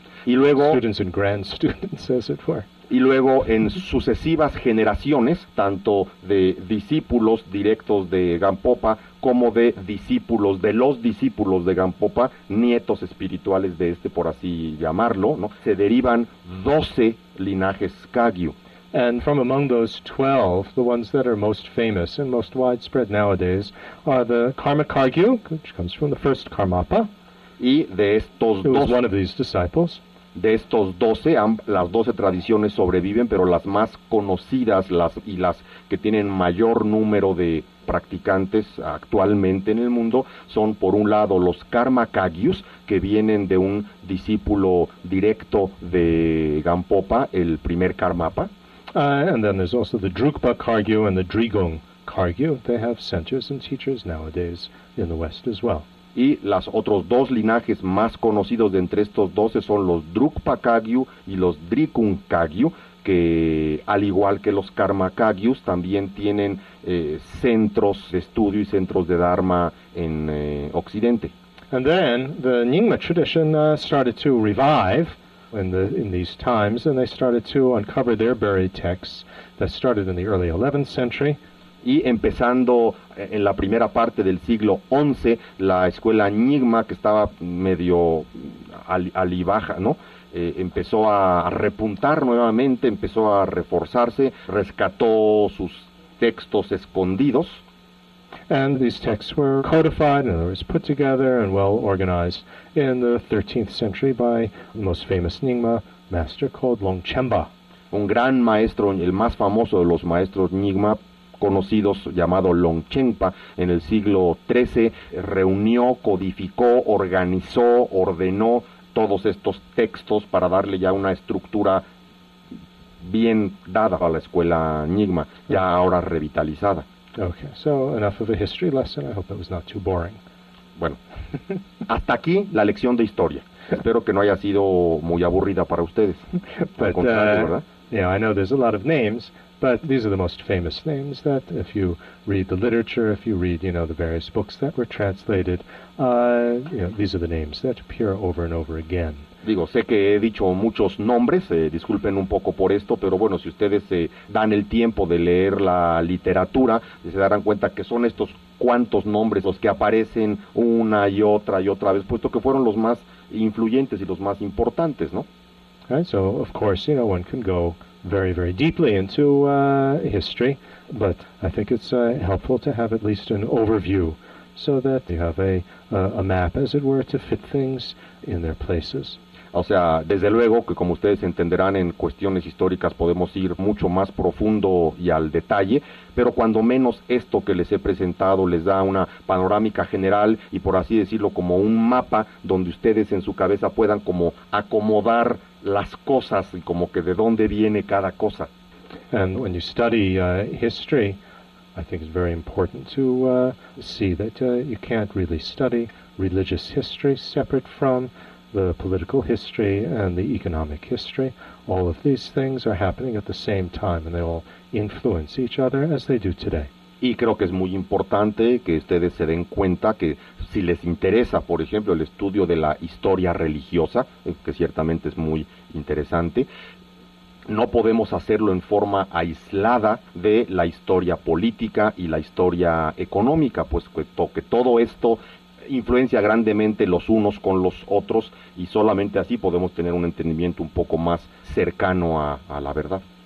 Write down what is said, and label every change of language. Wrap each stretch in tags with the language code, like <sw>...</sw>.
<es>Y luego,</es> <en>students and grand students, as it were.</en> <es>Y luego en sucesivas generaciones, tanto de discípulos directos de Gampopa como de discípulos de los discípulos de Gampopa, nietos espirituales de este, por así llamarlo, ¿no? Se derivan 12 linajes Kagyu.</es> <en>And from among those 12, the ones that are most famous and most widespread nowadays are the Karma Kagyu, which comes from the first Karmapa.</en> <es>Y de estos</es> <en>12, was one of these disciples.</en> <es>De estos 12, las 12 tradiciones sobreviven, pero las más conocidas y las que tienen mayor número de practicantes actualmente en el mundo son, por un lado, los Karma Kagyus, que vienen de un discípulo directo de Gampopa, el primer Karmapa.</es> <en>And then there's also the Drukpa Kagyu and the Drigung Kagyu. They have centers and teachers nowadays in the West as well.</en> <es>Y los otros dos linajes más conocidos de entre estos 12 son los Drukpa Kagyu y los Drigung Kagyu, que al igual que los Karma Kagyus, también tienen centros de estudio y centros de Dharma en Occidente.</es> <en>And then the Nyingma tradition started to revive in these times, and they started to uncover their buried texts that started in the early 11th century.</en> <es>Y empezando en la primera parte del siglo XI, la escuela Nyingma, que estaba medio alibaja, ¿no? Empezó a repuntar nuevamente, empezó a reforzarse, rescató sus textos escondidos.</es> <en>And these texts were codified, in other words, put together and well organized in the 13th century by the most famous Nyingma master called Longchenpa.</en> <es>Un gran maestro, el más famoso de los maestros Nyingma, conocidos llamado Longchenpa, en el siglo XIII reunió, codificó, organizó, ordenó todos estos textos para darle ya una estructura bien dada a la escuela Nyingma, ya ahora revitalizada.</es> <en>Okay, so enough of a history lesson. I hope that was not too boring.</en> <es>Bueno, hasta aquí la lección de historia. Espero que no haya sido muy aburrida para ustedes.</es> <en>But,</en> <es>al contrario, ¿verdad?</es> <en>Yeah, I know there's a lot of names, but these are the most famous names that if you read the literature, if you read, you know, the various books that were translated, these are the names that appear over and over again.</en> <es>Digo, sé que he dicho muchos nombres, disculpen un poco por esto, pero bueno, si ustedes se dan el tiempo de leer la literatura, se darán cuenta que son estos cuantos nombres los que aparecen una y otra vez, puesto que fueron los más influyentes y los más importantes, ¿no?</es> <en>Right, so, of course, you know, one can go very, very deeply into history, but I think it's helpful to have at least an overview so that you have a map, as it were, to fit things in their places.</en> <es>O sea, desde luego que como ustedes entenderán, en cuestiones históricas podemos ir mucho más profundo y al detalle, pero cuando menos esto que les he presentado les da una panorámica general y por así decirlo como un mapa donde ustedes en su cabeza puedan como acomodar las cosas y como que de dónde viene cada cosa.</es> <en>And when you study history, I think it's very important to see that you can't really study religious history separate from the political history and the economic history. All of these things are happening at the same time and they all influence each other as they do today.</en> <es>Y creo que es muy importante que ustedes se den cuenta que si les interesa, por ejemplo, el estudio de la historia religiosa, que ciertamente es muy interesante, no podemos hacerlo en forma aislada de la historia política y la historia económica, pues que todo esto influencia grandemente los unos con los otros y solamente así podemos tener un entendimiento un poco más cercano a la verdad.</es>